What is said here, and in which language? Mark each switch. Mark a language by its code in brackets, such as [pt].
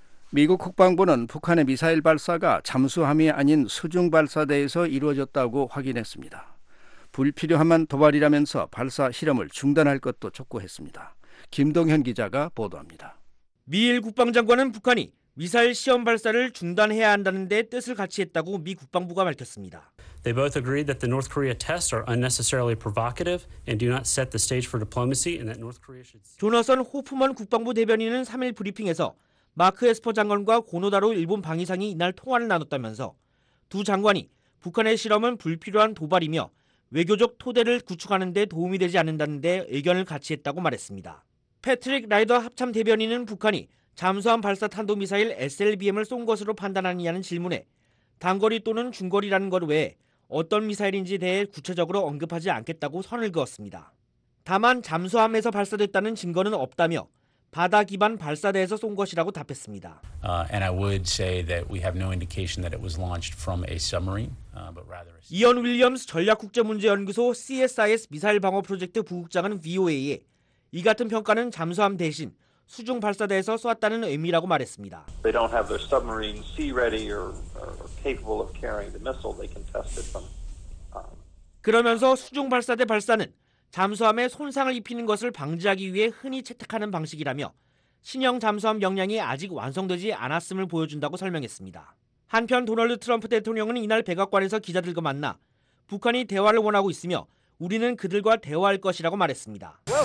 [ko] 미국 국방부는 북한의 미사일 발사가 잠수함이 아닌 수중 발사대에서 이루어졌다고 확인했습니다. 불필요한 도발이라면서 발사 실험을 중단할 것도 촉구했습니다. 김동현 기자가 보도합니다. 미일 국방장관은 북한이 미사일 시험 발사를 중단해야 한다는 데 뜻을 같이 했다고 미 국방부가 밝혔습니다. [en] They both agreed that the North Korea tests are unnecessarily provocative and do not set the stage for diplomacy and that North Korea should [ko] 조나선 호프먼 국방부 대변인은 3일 브리핑에서 마크 에스퍼 장관과 고노다로 일본 방위상이 이날 통화를 나눴다면서 두 장관이 북한의 실험은 불필요한 도발이며 외교적 토대를 구축하는 데 도움이 되지 않는다는 데 의견을 같이 했다고 말했습니다. 패트릭 라이더 합참 대변인은 북한이 잠수함 발사 탄도 미사일 SLBM을 쏜 것으로 판단하느냐는 질문에 단거리 또는 중거리라는 것 외에 어떤 미사일인지 대해 구체적으로 언급하지 않겠다고 선을 그었습니다. 다만 잠수함에서 발사됐다는 증거는 없다며 바다 기반 발사대에서 쏜 것이라고 답했습니다. [en] And I would say that we have no indication that it was launched from a submarine, but rather. [ko] 이언 윌리엄스 전략국제문제연구소 CSIS 미사일 방어 프로젝트 부국장은 VOA에 이 같은 평가는 잠수함 대신 수중 발사대에서 쏘았다는 의미라고 말했습니다. [en] They don't have their submarine sea ready or capable of carrying the missile. They can test it from. [ko] 그러면서 수중 발사대 발사는 잠수함에 손상을 입히는 것을 방지하기 위해 흔히 채택하는 방식이라며 신형 잠수함 역량이 아직 완성되지 않았음을 보여준다고 설명했습니다. 한편 도널드 트럼프 대통령은 이날 백악관에서 기자들과 만나 북한이 대화를 원하고 있으며 우리는 그들과 대화할 것이라고 말했습니다.